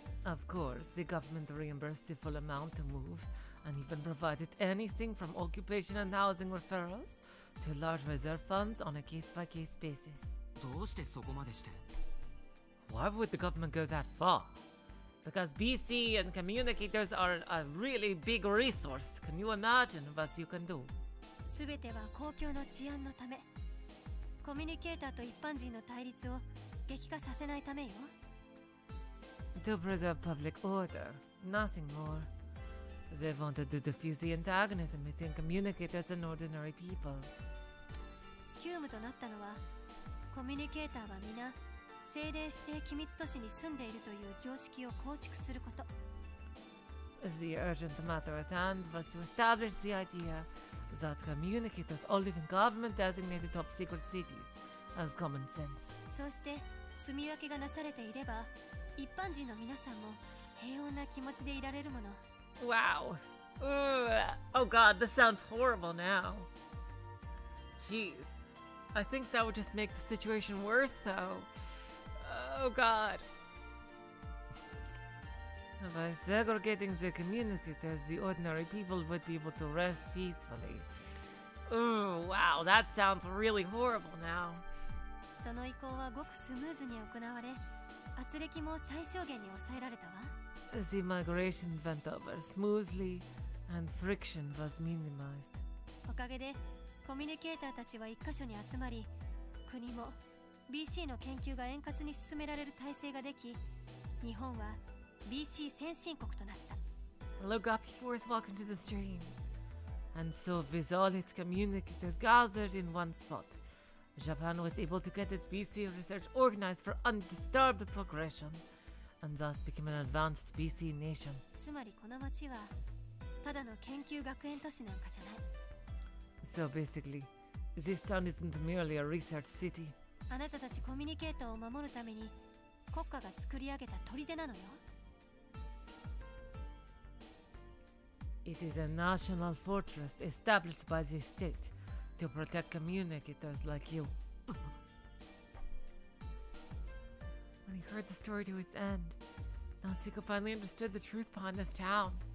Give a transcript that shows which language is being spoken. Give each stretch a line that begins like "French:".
English: Of course, the government reimbursed the full amount to move, and even provided anything from occupation and housing referrals. To large reserve funds on a case-by-case basis.
Japanese: どうしてそこまでして?
English: Why would the government go that far? Because BC and communicators are a really big resource. Can you imagine what you can do?
Japanese: 全ては公共の治安のため。コミュニケーターと一般人の対立を激化させないためよ。
English: To preserve public order, nothing more. They wanted to diffuse the antagonism between communicators and ordinary people.
Japanese: 急務となったのは、コミュニケーターは皆、政令指定機密都市に住んでいるという常識を構築すること。
English: The urgent matter at hand was to establish the idea that communicators all live in government-designated top secret cities as common sense.
Japanese: そして、住み分けがなされていれば、一般人の皆さんも平穏な気持ちでいられるもの。
English: Wow! Ooh! Oh god, this sounds horrible now! Jeez! I think that would just make the situation worse, though. Oh, God. By segregating the communicators, the ordinary people would be able to rest peacefully. Ooh, wow, that sounds really horrible now.
Japanese: その移行はごくスムーズに行われ、圧力も最小限に抑えられたわ。
English: The migration went over smoothly, and friction was minimized.
Japanese: おかげで、コミュニケーターたちは一箇所に集まり、国も BC の研究が円滑に進められる体制ができ、日本は BC 先進国となった。
English: Look up, before you walk into the stream. And so, with all its communicators gathered in one spot,Japan was able to get its BC research organized for undisturbed progression, and thus became an advanced BC nation.
Japanese: つまりこの町はただの研究学園都市なんかじゃない。
English: So basically, this town isn't merely a research city.
Japanese: あなたたちコミュニケーターを守るために国家が作り上げた砦なのよ。
English: It is a national fortress established by the state. To protect communicators like you. When he heard the story to its end, Natsuhiko finally understood the truth behind this town.